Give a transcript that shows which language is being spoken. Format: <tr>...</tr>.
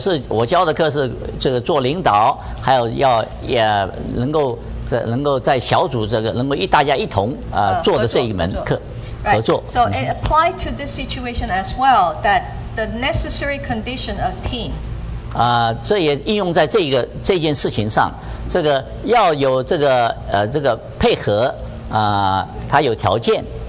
<zh>我教的课是这个做领导，还有要也能够在能够在小组这个能够一大家一同做的这一门课合作。</zh> <en>So it apply to this situation as well that the necessary condition of team.</en> <zh>这也应用在这件事情上，这个要有这个配合它有条件。</zh>